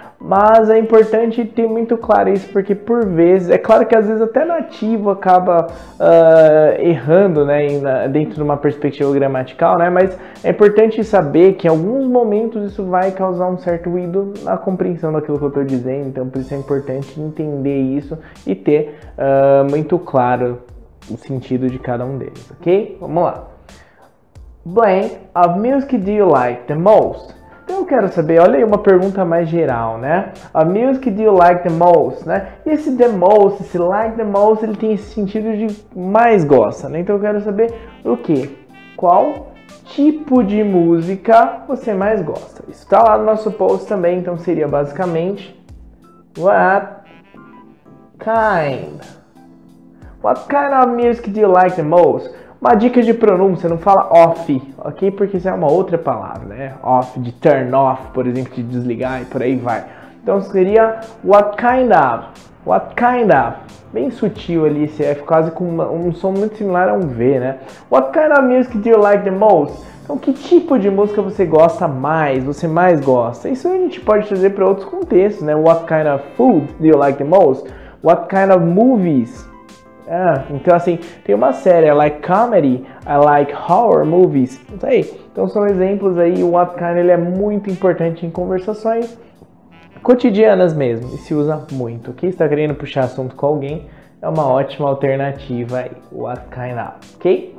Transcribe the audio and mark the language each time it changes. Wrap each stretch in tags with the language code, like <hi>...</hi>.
<pt>Mas é importante ter muito claro isso, porque por vezes, é claro que às vezes até nativo acaba errando, né, dentro de uma perspectiva gramatical, né, mas é importante saber que em alguns momentos isso vai causar um certo ruído na compreensão daquilo que eu estou dizendo, então por isso é importante entender isso e ter muito claro o sentido de cada um deles, ok? Vamos lá.</pt> <en>Blaine, of music do you like the most?</en> <pt>Então eu quero saber, olha aí uma pergunta mais geral, né?</pt> <en>A music do you like the most, né?</en> <pt>E esse the most, esse like the most, ele tem esse sentido de mais gosta, né? Então eu quero saber o quê? Qual tipo de música você mais gosta? Isso tá lá no nosso post também, então seria basicamente What kind of music do you like the most? Uma dica de pronúncia, não fala off, ok? Porque isso é uma outra palavra, né? Off, de turn off, por exemplo, de desligar e por aí vai. Então seria what kind of, bem sutil ali esse F, quase com um som muito similar a um V, né?</pt> <en>What kind of music do you like the most?</en> <pt>Então que tipo de música você gosta mais, você mais gosta? Isso aí a gente pode trazer para outros contextos, né?</pt> <en>What kind of food do you like the most? What kind of movies?</en> <pt>Ah, então assim, tem uma série, I like comedy, I like horror movies, não sei. Então são exemplos aí, o what kind, ele é muito importante em conversações cotidianas mesmo, e se usa muito. Quem está querendo puxar assunto com alguém, é uma ótima alternativa aí, what kind of, ok?</pt>